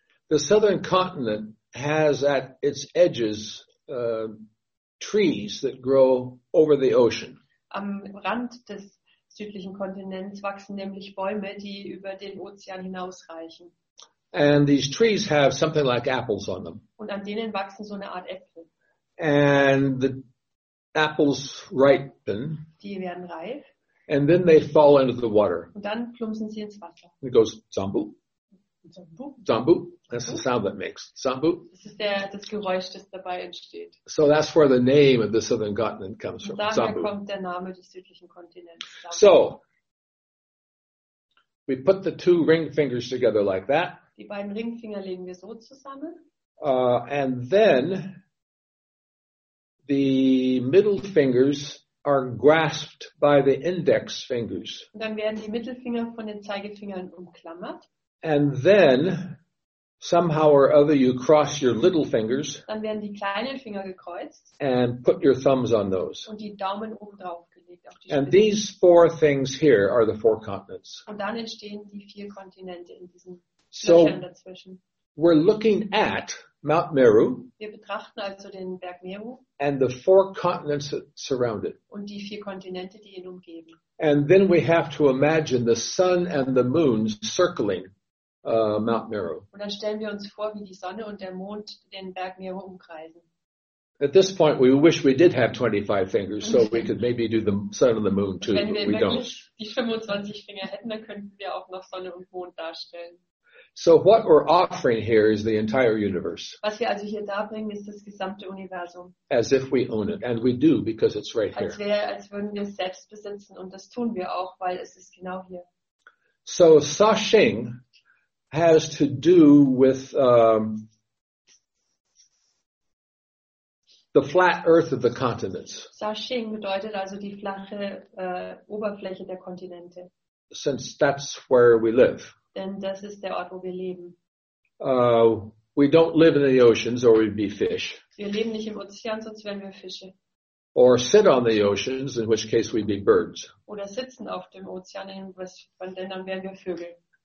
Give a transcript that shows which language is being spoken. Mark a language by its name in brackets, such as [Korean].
[English] The southern continent has at its edges trees that grow over the ocean. [German] Am Rand des südlichen Kontinents wachsen nämlich Bäume, die über den Ozean hinausreichen. [English] And these trees have something like apples on them. [German] Und an denen wachsen so eine Art Äpfel. [English] And the apples ripen. [German] Die werden reif. [English] And then they fall into the water. [German] Und dann plumpsen sie ins Wasser. [English] And it goes Zambu. [German] Zambu. [English] Zambu. That's the sound that makes Zambu. [German] Das ist das Geräusch, das dabei entsteht. [English] So that's where the name of the southern continent comes from. [German] Daher Zambu. Kommt der Name des südlichen Kontinents. Zambu. [English] So we put the two ring fingers together like that. [German] Die beiden Ringfinger legen wir so zusammen. [English] And then the middle fingers are grasped by the index fingers. [German] Und dann werden die Mittelfinger von den Zeigefingern umklammert. [English] And then somehow or other you cross your little fingers. [German] Dann werden die kleinen Finger gekreuzt. [English] And put your thumbs on those. [German] Und die Daumen oben drauf gelegt auf die Spitze. [English] And these four things here are the four continents. [German] Und dann entstehen die vier Kontinente in diesen Löchern dazwischen. [English] We're looking at Mount Meru. [German] Wir betrachten also den Berg Meru. [English] And the four continents that surround it. [German] Und die vier Kontinente, die ihn umgeben. [English] And then we have to imagine the sun and the moon circling Mount Meru. [German] Und dann stellen wir uns vor, wie die Sonne und der Mond den Berg Meru umkreisen. [English] At this point, we wish we did have 25 fingers, so we could maybe do the sun and the moon too. [German] Wenn wir [English] but we don't. [German] Die 25 Finger hätten, dann könnten wir auch noch Sonne und Mond darstellen. [English] So what we're offering here is the entire universe. [German] Was wir also hier darbringen, ist das gesamte Universum. [English] As if we own it, and we do because it's right here. [German] Als würden wir es selbst besitzen, und das tun wir auch, weil es ist genau hier. [English] So Sa Shing has to do with the flat earth of the continents. [German] Shaoxing bedeutet also die flache Oberfläche der Kontinente. [English] Since that's where we live. [German] Denn das ist der Ort, wo wir leben. [English] We don't live in the oceans or we'd be fish. [German] Wir leben nicht im Ozean, sonst wären wir Fische. [English] Or sit on the oceans, in which case we'd be birds. [German] Oder sitzen auf dem Ozean, dann wären wir Vögel.